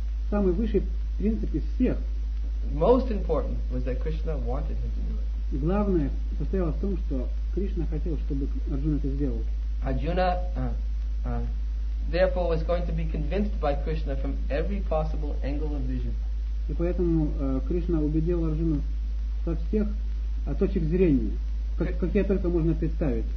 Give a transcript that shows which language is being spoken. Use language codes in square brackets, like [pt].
[ru] Самый высший принцип из всех. [en] Most important was that Krishna wanted him to do it. [ru] Главное состояло в том, что Кришна хотел, чтобы Арджуна это сделал. [en] Arjuna, therefore, was going to be convinced by Krishna from every possible angle of vision. [ru] И поэтому Кришна убедил Арджуну со всех точек зрения, какие только можно представить.